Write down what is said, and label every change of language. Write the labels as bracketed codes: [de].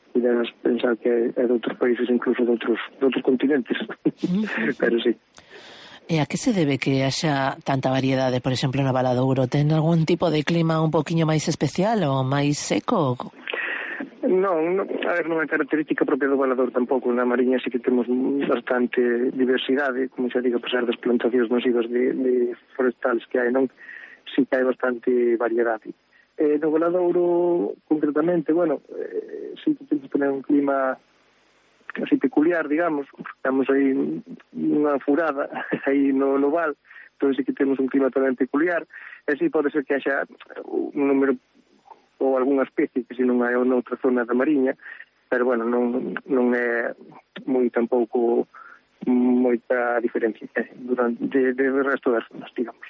[gl] E deves pensar que é de outros países, incluso de outros continentes. [es] Pero sí. ¿Y a qué se debe que haya tanta variedad, por ejemplo, en Valadouro? ¿Ten algún tipo de clima un poquillo más especial o más seco? [gl] No, a ver, non é característica propia do Valadouro tampouco. Na Mariña sí que temos bastante diversidade, como xa digo, a pesar das plantacións masivas de forestales que hai, non? Sí que hai bastante variedade. No Valadouro, concretamente, bueno, sí que temos que tener un clima así peculiar, digamos. Estamos aí unha furada aí no val, entón sí que temos un clima tamén peculiar. E sí, pode ser que haxa un número ou algunha especie que se non hai noutra zona da Mariña, pero bueno, non é moi tampouco moita diferencia de resto das zonas, digamos.